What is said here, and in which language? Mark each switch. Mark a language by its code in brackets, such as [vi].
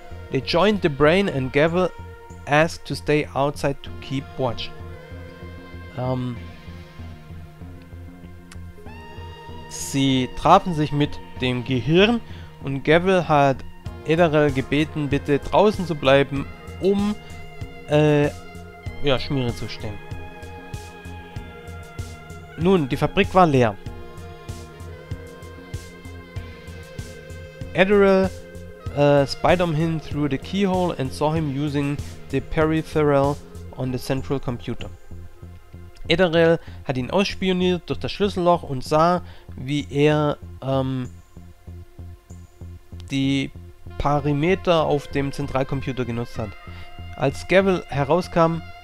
[en] They joined the brain and Gavel asked to stay outside to keep watch. [de] Sie trafen sich mit dem Gehirn und Gavel hat Adderall gebeten, bitte draußen zu bleiben, um Schmiere zu stehen. Nun, die Fabrik war leer. [en] Adderall spied on him through the keyhole and saw him using the peripheral on the central computer. [de] Adderall hat ihn ausspioniert durch das Schlüsselloch und sah, wie er die Parameter auf dem Zentralcomputer genutzt hat. Als Gavel herauskam,